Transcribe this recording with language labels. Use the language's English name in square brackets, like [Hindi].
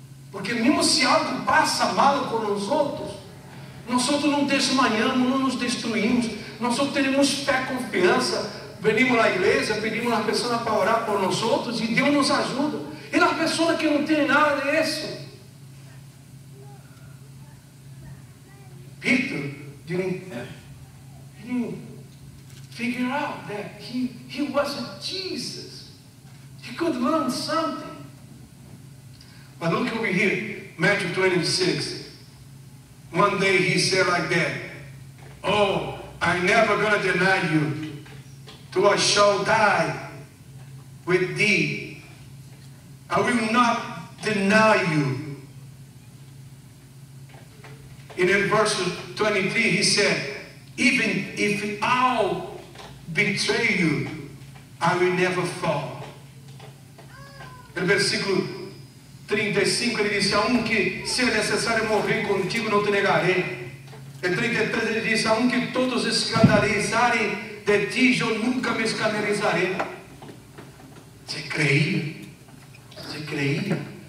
[Portuguese] Porque mesmo se algo passa mal com os outros, nós não desmaiamos, não nos destruímos, nós temos fé e confiança. Venimos à igreja, pedimos às pessoas para orar por nós outros e Deus nos ajuda. E as pessoas que não têm nada disso. [English] Peter didn't figure out that he wasn't Jesus. He could learn something. But look over here, Matthew 26. One day he said like that, oh, I'm never gonna deny you. To I shall die with thee. I will not deny you. And in verse 23 he said, even if I'll betray you, I will never fall. [Portuguese] No versículo 35 ele disse, aunque se é necessário morrer contigo, não te negarei. Em 33 ele disse, aunque todos escandalizarem de ti, eu nunca me escandalizarei. Você creia? Você creia?